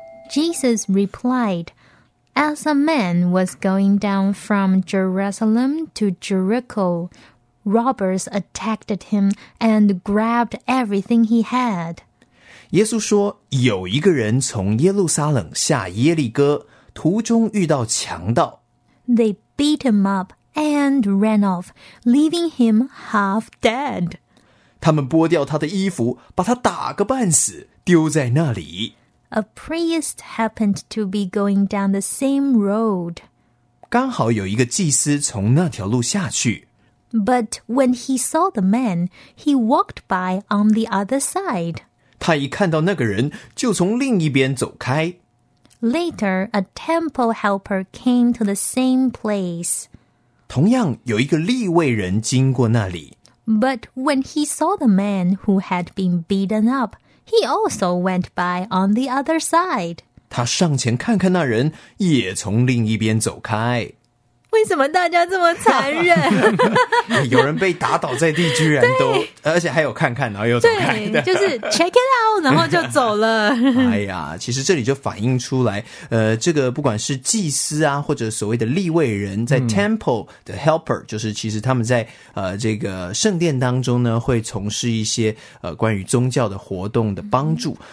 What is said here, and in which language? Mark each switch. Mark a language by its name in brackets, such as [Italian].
[English] Jesus replied, As a man was going down from Jerusalem to Jericho, robbers attacked him and grabbed everything he had. [Chinese] 耶稣说，有一个人从耶路撒冷下耶利哥，途中遇到强盗。 [English] They beat him up and ran off, leaving him half dead. [Chinese] 他们剥掉他的衣服，把他打个半死，丢在那里。 [English] A priest happened to be going down the same road. [Chinese] 刚好有一个祭司从那条路下去。 [English] But when he saw the man, he walked by on the other side. [Chinese] 他一看到那个人就从另一边走开。 [English] Later, a temple helper came to the same place. [Chinese] 同样有一个利未人经过那里。 [English] But when he saw the man who had been beaten up, he also went by on the other side. [Chinese] 他上前看看那人也从另一边走开。为什么大家这么残忍？有人被打倒在地，居然都，而且还有看看，然后又走开的，就是 [English] check it out， [Chinese] 然后就走了。哎呀，其实这里就反映出来，这个不管是祭司啊，或者所谓的立位人，在 temple 的 helper，就是其实他们在这个圣殿当中呢，会从事一些关于宗教的活动的帮助。